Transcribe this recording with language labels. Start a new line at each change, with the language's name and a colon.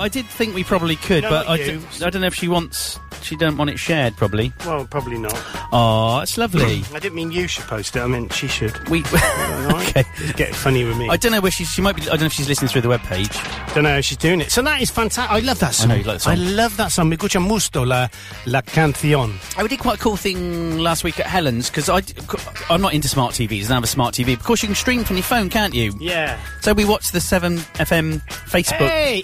English: I did think we probably could, no, but I don't know if she wants... She don't want it shared, probably. Well, probably not. Oh, it's lovely. I didn't mean you should post it. I meant she should. We... okay. Get funny with me. I don't know where she's... She might be... I don't know if she's listening through the webpage. Don't know how she's doing it. So that is fantastic. I love that song. I know you like the song. I love that song.
Spanish: Me gusta mucho la canción.
English: We did quite a cool thing last week at Helen's, because I'm not into smart TVs. I don't have a smart TV. Of course, you can stream from your phone, can't you? Yeah. So we watched the 7FM Facebook